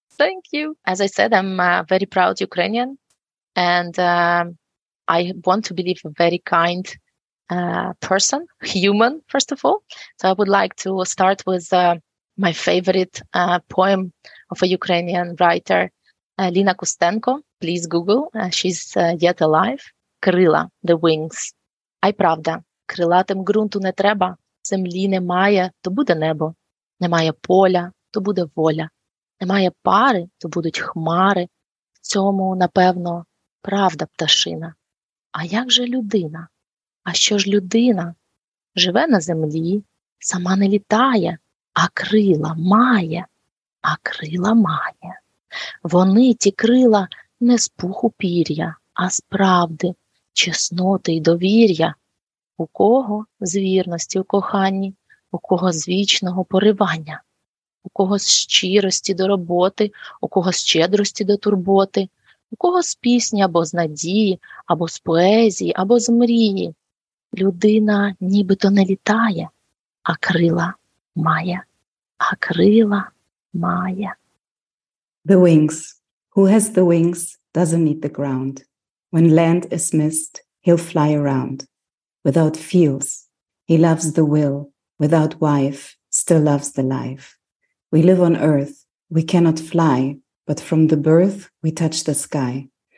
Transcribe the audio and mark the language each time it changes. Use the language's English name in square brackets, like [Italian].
[English] Thank you. As I said, I'm a very proud Ukrainian, and I want to believe a very kind person, human, first of all. So I would like to start with my favorite poem of a Ukrainian writer, Lina Kustenko. Please Google. She's yet alive. Kryla, the wings. [Ukrainian] Ай правда, крилатим ґрунту не треба, землі немає, то буде небо. Немає поля, то буде воля. Немає пари, то будуть хмари. В цьому, напевно, правда пташина. А як же людина? А що ж людина? Живе на землі, сама не літає, а крила має, а крила має. Вони, ті крила, не з пуху пір'я, а з правди, чесноти й довір'я. У кого з вірності у коханні, у кого з вічного поривання, у кого з щирості до роботи, у кого з щедрості до турботи, у кого з пісні або з надії, або з поезії, або з мрії. Людина нібито не літає, а крила має, а крила має. [English] The wings. Who has the wings doesn't need the ground. When land is missed, he'll fly around. Without fields, he loves the will. Without wife, still loves the life. We live on earth, we cannot fly, but from the birth, we touch the sky.